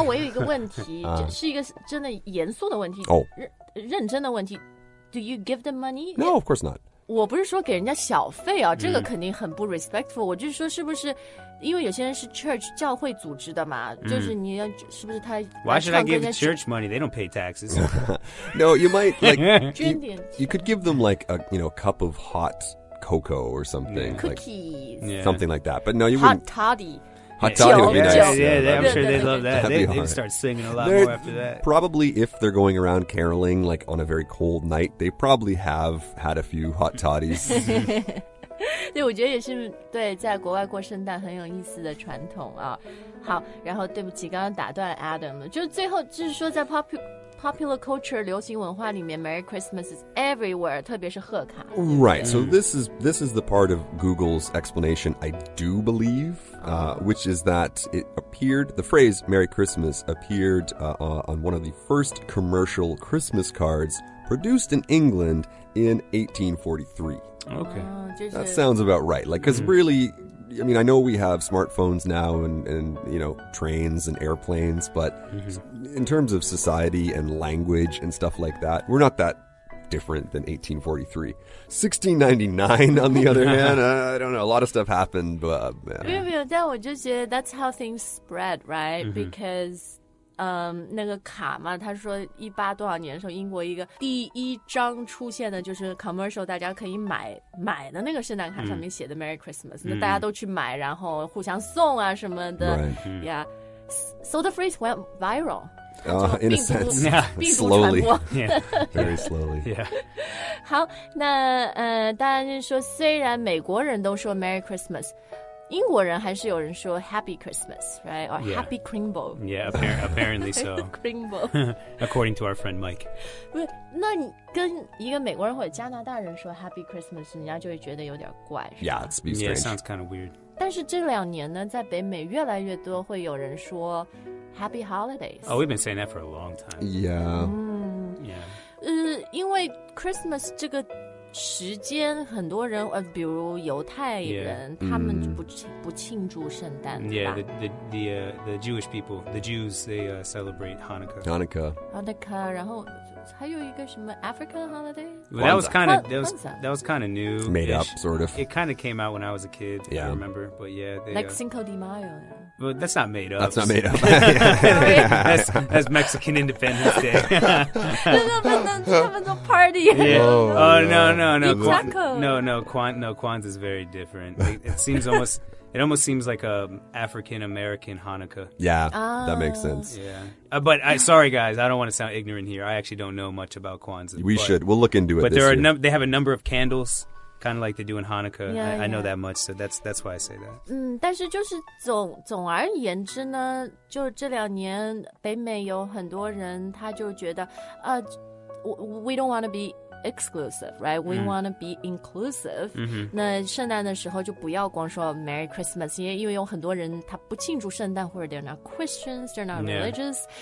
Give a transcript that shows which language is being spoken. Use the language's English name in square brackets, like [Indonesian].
[Chinese] 我有一个问题，是一个真的严肃的问题。认真的问题。 [English] Do you give them money? No, of course not. [Chinese] 我不是说给人家小费啊，这个肯定很不 respectful。我就是说，是不是因为有些人是 church 教会组织的嘛？就是你要是不是他 [English] ？Why should I give the church money? They don't pay taxes. No, you might like [Chinese] 捐点。 [English] You could give them like a you know cup of hot cocoa or something, cookies, something like that. But no, you wouldn't. Hot toddy. Hot toddy would be nice. Yeah, I'm sure they'd love that. They'd start singing a lot more after that. Probably if they're going around caroling, like on a very cold night, they probably have had a few hot toddies. [Chinese] 对，我觉得也是对，在国外过圣诞很有意思的传统啊。好，然后对不起，刚刚打断 Adam 了。就是最后，就是说在 popular culture 流行文化里面 [English] Merry Christmas is everywhere [Chinese] 特别是贺卡 [English] Right, so this is the part of Google's explanation I do believe which is that it appeared the phrase Merry Christmas appeared on one of the first commercial Christmas cards produced in England in 1843 Okay That sounsabout right, like, because really I mean, I know we have smartphones now and you know, trains and airplanes, butin terms of society and language and stuff like that, we're not that different than 1843. 1699, on the other hand, I don't know, a lot of stuff happened, but... That's how things spread, right? Because... [Chinese] 那个卡嘛，他说一八多少年的时候，英国一个第一张出现的就是 commercial， 大家可以买的那个圣诞卡上面写的 Merry Christmas，那大家都去买，然后互相送啊什么的 [English] right. ，Yeah， so the phrase went viral. In a sense, yeah, slowly, yeah. very slowly. Yeah. [Chinese] 好，那当然说，虽然美国人都说 Merry Christmas。 [English] 英国人还是有人说 Happy Christmas, right? Or Happy Kringle. Yeah, apparently so. Kringle. According to our friend Mike. [Chinese] 那你跟一个美国人或者加拿大人说 Happy Christmas, 人家就会觉得有点怪。 [English] Yeah, it's be strange. Yeah, it sounds kind of weird. [Chinese] 但是这两年呢，在北美越来越多会有人说 Happy Holidays. [English] Oh, we've been saying that for a long time. Yeah. Yeah. [Chinese] 因为 Christmas 这个时间很多人比如犹太人 [English] yeah. [Chinese] 他们不庆祝圣诞 [English] Yeah, the Jewish people, the Jews, they celebrate Hanukkah. [Chinese] Hanukkah, 然后还有一个什么 African holiday? [English] Well, that was kind of new. Made up, sort of. It kind of came out when I was a kid, yeah. if I remember. But yeah, like Cinco de Mayo. Well, that's not made up. That's not made up. that's Mexican Independence Day. No, party. Yeah. Oh, no. Kwanzaa is very different. It seems almost... It almost seems like an African-American Hanukkah. Yeah, that makes sense. Yeah. But sorry, guys, I don't want to sound ignorant here. I actually don't know much about Kwanzaa. We'll look into it but this there year. But they have a number of candles, kind of like they do in Hanukkah. Yeah, I know that much, so that's why I say that. [Chinese] 但是就是总而言之呢，就这两年北美有很多人他就觉得， [English] we don't want to be exclusive, right? We、mm-hmm. want to be inclusive.、 Mm-hmm. [Chinese] 那圣诞的时候就不要光说 Merry Christmas, 因为有很多人他不庆祝圣诞或者 [English] they're not Christians, they're not religious.、